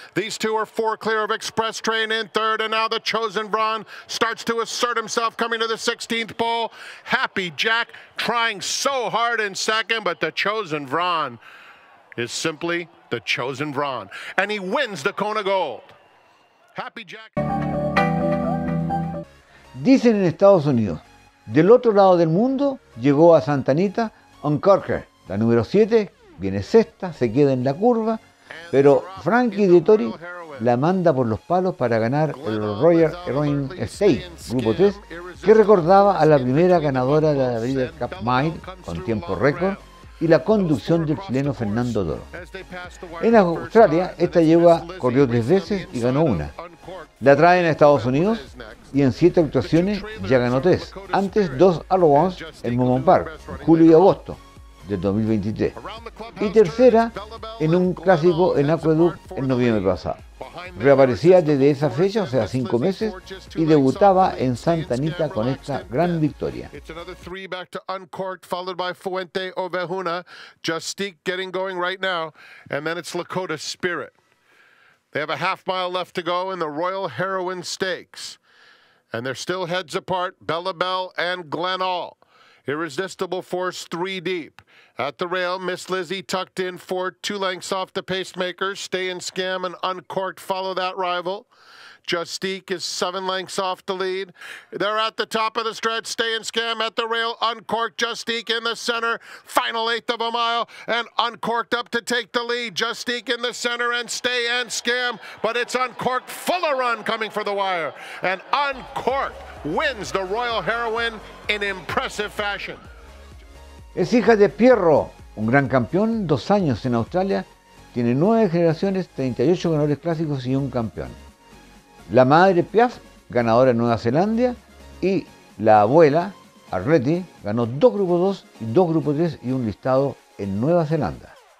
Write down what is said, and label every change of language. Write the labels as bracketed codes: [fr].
[en] These two are four clear of Express Train in third, and now the Chosen Vron starts to assert himself coming to the 16th pole. Happy Jack trying so hard in second, but the Chosen Vron is simply the Chosen Vron, and he wins the Kona Gold. Happy Jack. [es] Dicen en Estados Unidos, del otro lado del mundo llegó a Santa Anita Uncorker, la número 7, viene sexta, se queda en la curva, pero Frankie Dettori la manda por los palos para ganar el Royal Heroin Estate, grupo 3, que recordaba a la primera ganadora de la Breeders' Cup Mile con tiempo récord y la conducción del chileno Fernando Doro. En Australia, esta yegua corrió 3 veces y ganó una. La traen a Estados Unidos y en 7 actuaciones ya ganó 3. Antes, 2 Allowance en Mumon Park, en julio y agosto del 2023. Y tercera en un clásico en Aqueduct en noviembre pasado. Reaparecía desde esa fecha, o sea, 5 meses, y debutaba en Santa Anita con esta gran victoria. [en] It's another 3 back to Uncorked, followed by Fuente Ovejuna. Justique getting going right now, and then it's Lakota Spirit. They have a half mile left to go in the Royal Heroine Stakes. And they're still heads apart, Bella Bell and Glen All. Irresistible Force 3 deep. At the rail, Miss Lizzie tucked in 4, 2 lengths off the pacemakers. Stay and Scam and Uncorked follow that rival. Justique is 7 lengths off the lead. They're at the top of the stretch. Stay and Scam at the rail. Uncorked, Justique in the center. Final eighth of a mile. And Uncorked up to take the lead. Justique in the center and Stay and Scam. But it's Uncorked full of run coming for the wire. And Uncorked wins the Royal Heroine in impressive fashion. [es] Es hija de Pierro, un gran campeón, 2 años en Australia. Tiene 9 generaciones, 38 ganadores clásicos y un campeón. La madre Piaf, ganadora en Nueva Zelanda, y la abuela Arletty, ganó 2 grupos 2 y 2 grupos 3 y un listado en Nueva Zelanda.